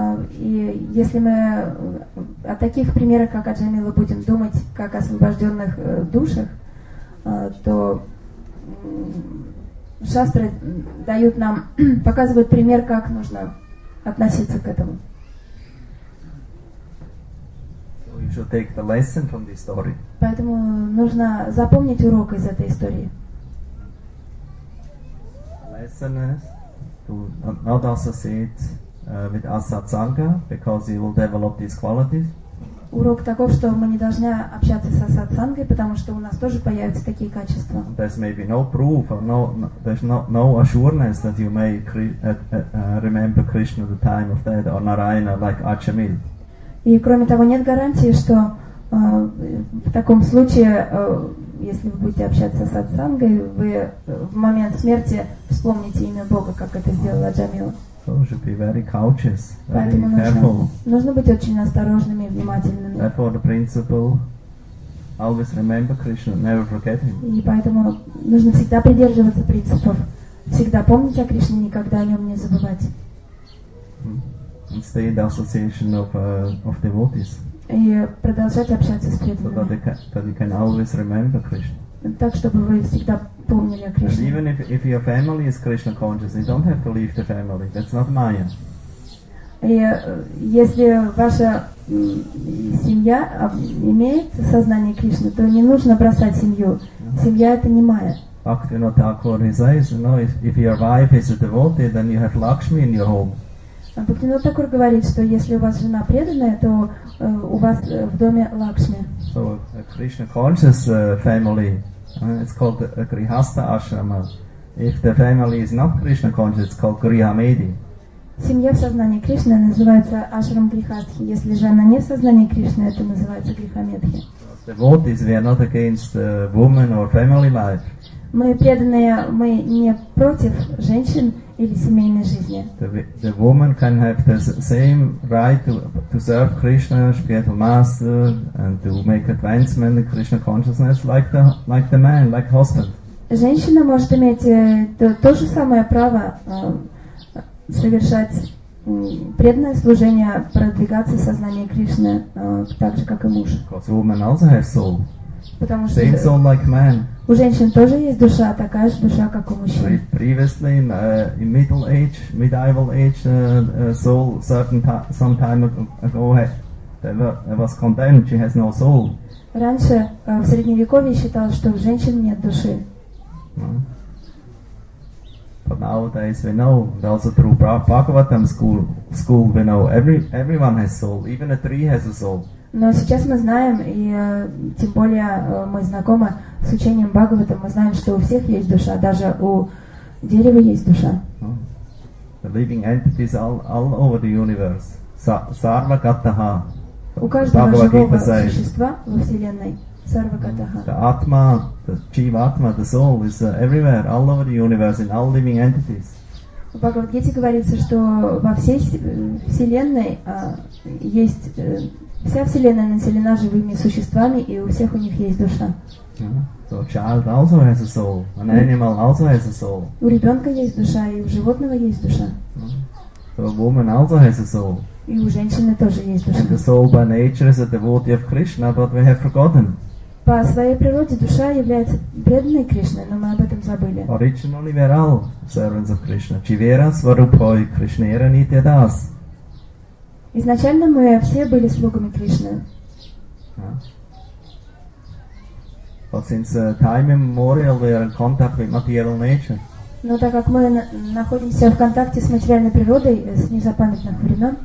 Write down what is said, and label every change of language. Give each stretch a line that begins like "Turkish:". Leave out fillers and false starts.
Russian: И если мы о таких примерах, как Аджамила, будем думать как о освобожденных душах, то шастры дают нам, показывают пример, как нужно относиться к этому.
English: So you should take the lesson from this story.
Russian: Поэтому нужно запомнить урок из этой истории.
English: The lesson is to not associate with asatsanga, because you will develop these qualities.
Russian: Урок таков, что мы не должны общаться с асатсангой, потому что у нас тоже появятся такие качества.
English: There's maybe no proof, or there's no assurance that you may remember Krishna the time of death or Narayana like Achamil.
Russian: И кроме того, нет гарантии, что в таком случае, если вы будете общаться с асатсангой, вы в момент смерти вспомните имя Бога, как это сделал Аджамил.
English: So should be very cautious, very careful.
Russian: Нужно быть очень осторожными и внимательными.
English: Therefore, the principle: always remember Krishna, never forget him.
Russian: И поэтому нужно всегда придерживаться принципов, всегда помнить о Кришне, никогда о нем не забывать.
English: And stay in the association of devotees.
Russian: И продолжать общаться с преданными.
English: So that you can always remember Krishna.
Russian: Так, чтобы вы всегда помнили о Кришне.
English: And even if your family is Krishna conscious, you don't have to leave the family. That's not Maya.
Russian: И если ваша семья имеет сознание Кришны, то не нужно бросать семью. Yeah. Семья — это не Maya.
English: Bhaktivinoda Thakur, he says, you know, if your wife is a devotee, then you have Lakshmi in your home.
Russian: Бхактивинода Такур говорит, что если у вас жена преданная, то у вас в доме Лакшми.
English: So a Krishna conscious family, it's called a Grihastha Ashrama. If the family is not Krishna conscious, it's called Grihamedi.
Russian: Семья в сознании Кришны называется Ашрам Грихастхи. Если же она не в сознании Кришны, это называется Грихамедхи.
English: As devotees, we are not against women or family life.
Russian: Мы преданные, мы не против женщин или семейной жизни.
English: The woman can have the same right to serve Krishna, spiritual master, and to make advancement in Krishna consciousness like the man, like husband.
Russian: Женщина может иметь то же самое право совершать преданное служение, продвигаться в сознании Кришны так же, как и муж.
English: Because woman also has soul.
Russian: Потому что
English: same soul like man.
Russian: У женщин тоже есть душа, такая же душа, как у мужчин.
English: Previously, in middle age, medieval age, soul certain some time ago was condemned. She has no soul.
Russian: Раньше в средневековье считалось, что у женщин нет души.
English: But nowadays we know, and also through Bhagavatam school we know everyone has soul. Even a tree has a soul.
Russian: Но сейчас мы знаем, и тем более мы знакомы с учением Бхагавата, мы знаем, что у всех есть душа, даже у дерева есть душа.
English: The living entities all over the universe.
Sanskrit: Sarva gataha.
Russian: У каждого живого существа во Вселенной
Sanskrit: Sarvakataha.
English: The Atma, the Jiva Atma, the soul is everywhere, all over the universe, in all living entities.
Russian: В Бхагавад-гите говорится, что во всей вселенной есть вся вселенная населена живыми существами, и у всех у них есть душа.
English: So a child also has a soul. An animal also has a soul.
Russian: У ребенка есть душа, и у животного есть душа.
English: So a woman also has a soul.
Russian: И у женщины тоже есть душа.
English: And the soul by nature is a devotee of Krishna, but we have forgotten.
Russian: По своей природе душа является преданной Кришне, но мы об этом забыли.
English: Originally we are all servants of Krishna.
Bangla: Chivera Svarupoi Krishnera Nityadas.
Russian: Изначально мы все были слугами Кришны.
English: But since time immemorial we are in contact with material nature.
Russian: Но так как мы находимся в контакте с материальной природой, с незапамятных времен.